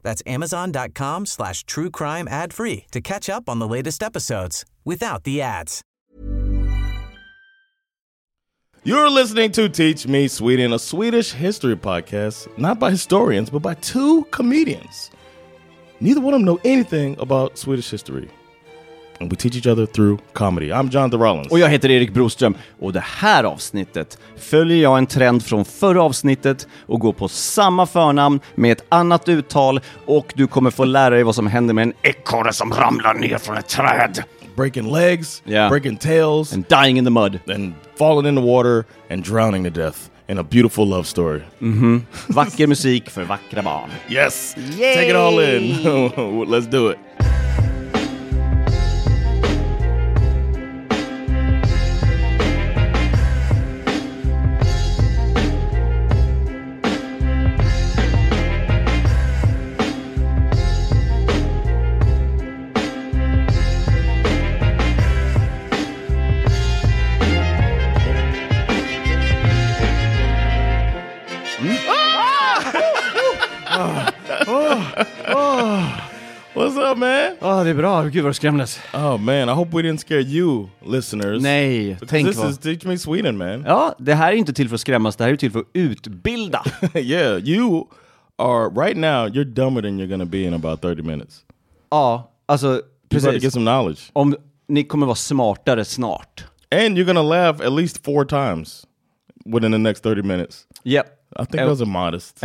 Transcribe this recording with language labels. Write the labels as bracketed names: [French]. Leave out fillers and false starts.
[English] That's amazon.com/truecrimeadfree to catch up on the latest episodes without the ads. You're listening to Teach Me Sweden, a Swedish history podcast, not by historians, but by two comedians. Neither one of them know anything about Swedish history. And we teach each other through comedy. I'm Jonathan Rollins. [Swedish] Och jag heter Erik Broström. Och det här avsnittet följer jag en trend från förra avsnittet och går på samma förnamn med ett annat uttal. Och du kommer få lära dig vad som händer med en ekorre som ramlar ner från ett träd. [English] Breaking legs, yeah. Breaking tails. And dying in the mud. And falling in the water and drowning to death in a beautiful love story. Mm-hmm. [Swedish] Vacker musik för vackra barn. [English] Yes. Yay. Take it all in. Let's do it. [Swedish] Oh, det är bra. Gud vad skrämdes. [English] Oh man, I hope we didn't scare you, listeners. [Swedish] Nej, tänk vad. [English] This is Teach Me Sweden, man. [Swedish] Ja, det här är inte till för att skrämmas, det här är till för att utbilda. [English] Yeah, you are, right now, you're dumber than you're gonna be in about 30 minutes. [Swedish] Ja, alltså, precis. [English] You're about to get some knowledge. [Swedish] Om ni kommer vara smartare snart. [English] And you're gonna laugh at least 4 times within the next 30 minutes. Yep. I think those are modest.